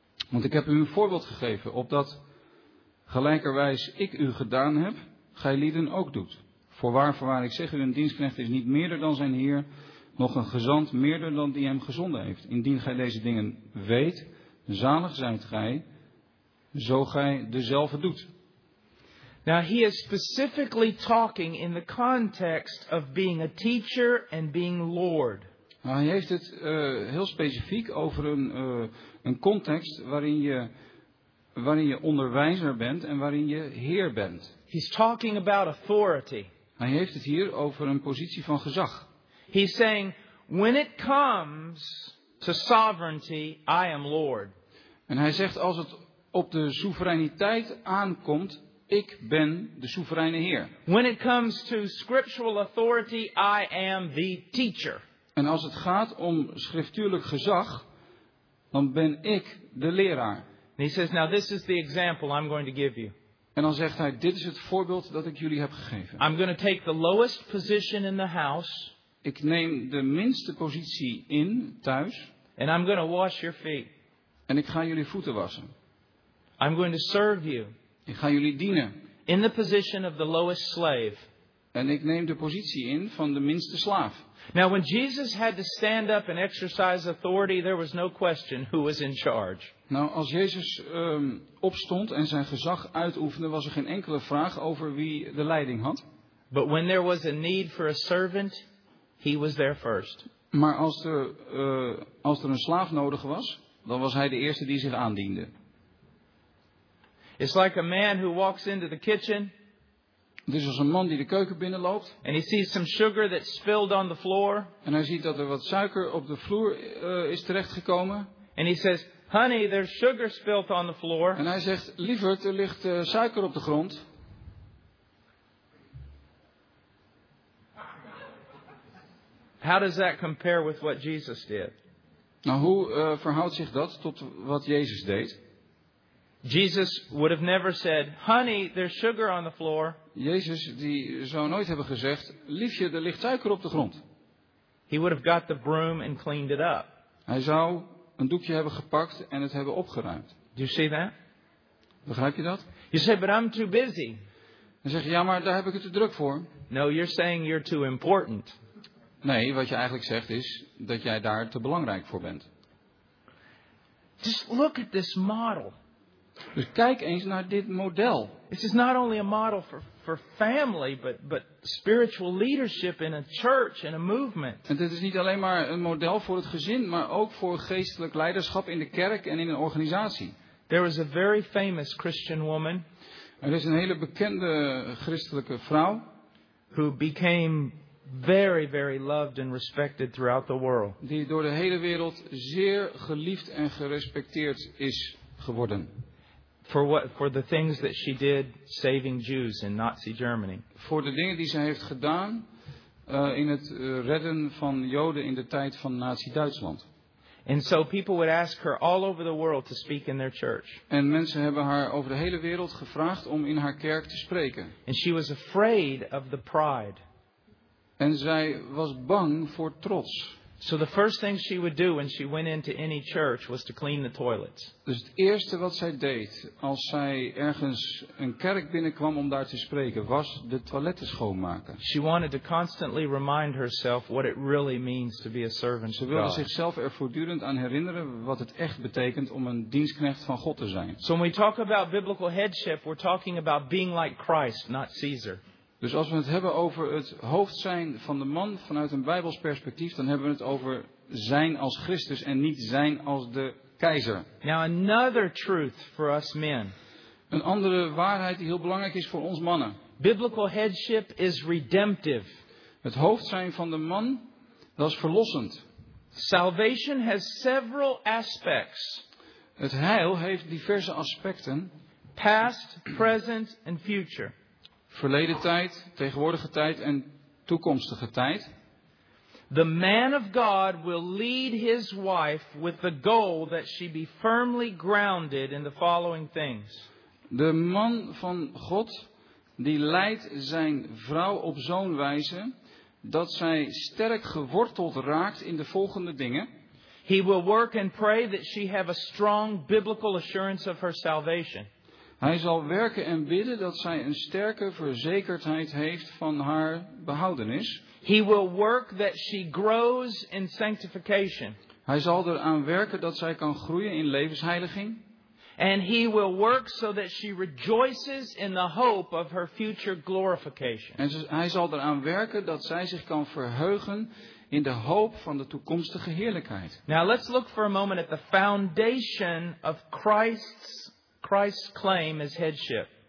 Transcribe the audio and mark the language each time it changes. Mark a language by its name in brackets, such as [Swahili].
[Dutch] Want ik heb u een voorbeeld gegeven, opdat gelijkerwijs ik u gedaan heb, gij lieden ook doet. Voorwaar, ik zeg u, een dienstknecht is niet meerder dan zijn heer, nog een gezant meerder dan die hem gezonden heeft. Indien gij deze dingen weet, zalig zijt gij, zo gij dezelfde doet. [English] Now he is specifically talking in the context of being a teacher and being Lord. [Dutch] Nou, hij heeft het heel specifiek over een context waarin je onderwijzer bent en waarin je heer bent. [English] He's talking about authority. [Dutch] Hij heeft het hier over een positie van gezag. [English] He's saying, when it comes to sovereignty, I am Lord. [Dutch] En hij zegt, als het op de soevereiniteit aankomt, ik ben de soevereine Heer. [English] When it comes to scriptural authority, I am the teacher. [Dutch] En als het gaat om schriftuurlijk gezag, dan ben ik de leraar. [English] And he says, now this is the example I'm going to give you. [Dutch] En dan zegt hij, dit is het voorbeeld dat ik jullie heb gegeven. [English] I'm going to take the lowest position in the house. [Dutch] Ik neem de minste positie in thuis. [English] And I'm going to wash your feet. [Dutch] En ik ga jullie voeten wassen. [English] I'm going to serve you. [Dutch] Ik ga jullie dienen. [English] In the position of the lowest slave. [Dutch] En ik neem de positie in van de minste slaaf. [English] Now when Jesus had to stand up and exercise authority, there was no question who was in charge. [Dutch] Nou, als Jezus opstond en zijn gezag uitoefende, was er geen enkele vraag over wie de leiding had. [English] But when there was a need for a servant, he was there first. [Dutch] Maar als er een slaaf nodig was, dan was hij de eerste die zich aandiende. [English] It's like a man who walks into the kitchen. [Dutch] Dus als een man die de keuken binnenloopt. [English] And he sees some sugar that spilled on the floor. [Dutch] En hij ziet dat er wat suiker op de vloer is terechtgekomen. [English] And he says, honey, there's sugar spilled on the floor. [Dutch] En hij zegt, lieverd, er ligt suiker op de grond. [English] How does that compare with what Jesus did? [Dutch] Nou, hoe verhoudt zich dat tot wat Jezus deed? [English] Jesus would have never said, honey, there's sugar on the floor. [Dutch] Jezus die zou nooit hebben gezegd, liefje, er ligt suiker op de grond. [English] He would have got the broom and cleaned it up. [Dutch] Hij zou een doekje hebben gepakt en het hebben opgeruimd. [English] Do you see that? [Dutch] Begrijp je dat? [English] You say, but I'm too busy. [Dutch] Dan zeg je, ja, maar daar heb ik het te druk voor. [English] No, you're saying you're too important. [Dutch] Nee, wat je eigenlijk zegt is dat jij daar te belangrijk voor bent. [English] Just look at this model. [Dutch] Dus kijk eens naar dit model. [English] This is not only a model for family, but spiritual leadership in a church and a movement. [Dutch] En dit is niet alleen maar een model voor het gezin, maar ook voor geestelijk leiderschap in de kerk en in een organisatie. [English] There is a very famous Christian woman. [Dutch] Er is een hele bekende christelijke vrouw. [English] Who became very, very loved and respected throughout the world. [Dutch] Die door de hele wereld zeer geliefd en gerespecteerd is geworden. [English] For what? For the things that she did, saving Jews in Nazi Germany. [Dutch] Voor de dingen die zij heeft gedaan in het redden van Joden in de tijd van Nazi Duitsland. [English] And so people would ask her all over the world to speak in their church. [Dutch] En mensen hebben haar over de hele wereld gevraagd om in haar kerk te spreken. [English] And she was afraid of the pride. [Dutch] En zij was bang voor trots. [English] So the first thing she would do when she went into any church was to clean the toilets. [Dutch] Dus het eerste wat zij deed als zij ergens een kerk binnenkwam om daar te spreken, was de toiletten schoonmaken. [English] She wanted to constantly remind herself what it really means to be a servant of God. [Dutch] Ze wilde zichzelf er voortdurend aan herinneren wat het echt betekent om een dienstknecht van God te zijn. [English] So when we talk about biblical headship, we're talking about being like Christ, not Caesar. [Dutch] Dus als we het hebben over het hoofd zijn van de man vanuit een Bijbels perspectief, dan hebben we het over zijn als Christus en niet zijn als de keizer. [English] Now another truth for us men. [Dutch] Een andere waarheid die heel belangrijk is voor ons mannen. [English] Biblical headship is redemptive. [Dutch] Het hoofd zijn van de man, dat is verlossend. [English] Salvation has several aspects. [Dutch] Het heil heeft diverse aspecten. [English] Past, present and future. [Dutch] Verleden tijd, tegenwoordige tijd en toekomstige tijd. [English] The man of God will lead his wife with the goal that she be firmly grounded in the following things. [Dutch] De man van God die leidt zijn vrouw op zo'n wijze dat zij sterk geworteld raakt in de volgende dingen. [English] He will work and pray that she have a strong biblical assurance of her salvation. [Dutch] Hij zal werken en bidden dat zij een sterke verzekerdheid heeft van haar behoudenis. [English] He will work that she grows in sanctification. [Dutch] Hij zal eraan werken dat zij kan groeien in levensheiliging. [English] And he will work so that she rejoices in the hope of her future glorification. [Dutch] En hij zal eraan werken dat zij zich kan verheugen in de hoop van de toekomstige heerlijkheid. [English] Now let's look for a moment at the foundation of Christ's claim as headship.